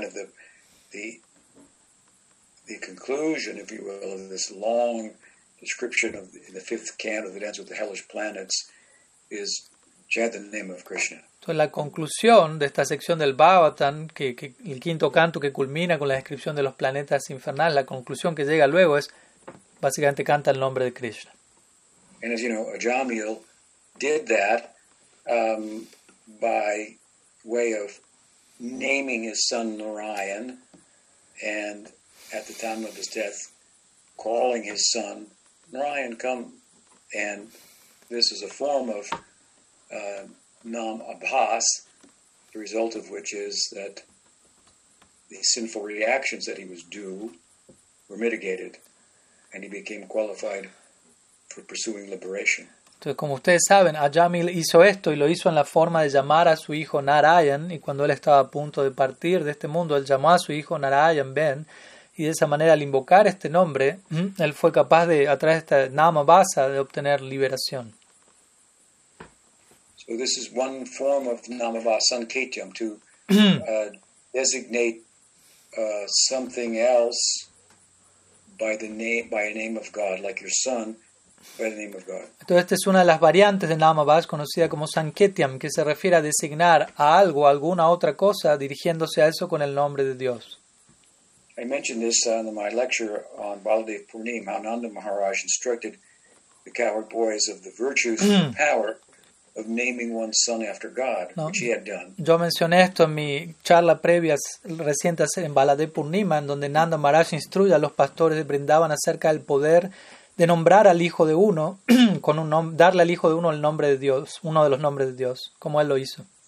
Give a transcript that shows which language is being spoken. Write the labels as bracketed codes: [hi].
[en] So the conclusion, if you will, of this long description of the fifth canto that ends with the hellish planets is chant the name of Krishna. [es] Entonces la conclusión de esta sección del Bhagavatam, que el quinto canto que culmina con la descripción de los planetas infernales, la conclusión que llega luego es básicamente canta el nombre de Krishna. [en] And as you know, Ajamil did that by way of naming his son Narayan, and at the time of his death, calling his son Narayan, come, and this is a form of Namabhasa, the result of which is that the sinful reactions that he was due were mitigated, and he became qualified for pursuing liberation. [es] Entonces, como ustedes saben, Ajamil hizo esto y lo hizo en la forma de llamar a su hijo Narayan, y cuando él estaba a punto de partir de este mundo, él llamó a su hijo Narayan Ben, y de esa manera, al invocar este nombre, él fue capaz de, a través de esta Namabhasa, de obtener liberación. [en] So this is one form of Namabhasanketyam, to designate something else by a name of God, like your son. [es] Entonces, esta es una de las variantes de Namabhas, conocida como Sanketyam, que se refiere a designar a algo, a alguna otra cosa, dirigiéndose a eso con el nombre de Dios. [en] I mentioned this in my lecture on Baladev Purnim, how Nanda Maharaj instructed the coward boys of the virtues and power of naming one's son after God, no, which he had done. [es] Yo mencioné esto en mi charla previa reciente en Baladev Purnim, en donde Nanda Maharaj instruye a los pastores de Brindavan acerca del poder de nombrar al hijo de uno con un nombre, darle al hijo de uno el nombre de Dios, uno de los nombres de Dios, como él lo hizo.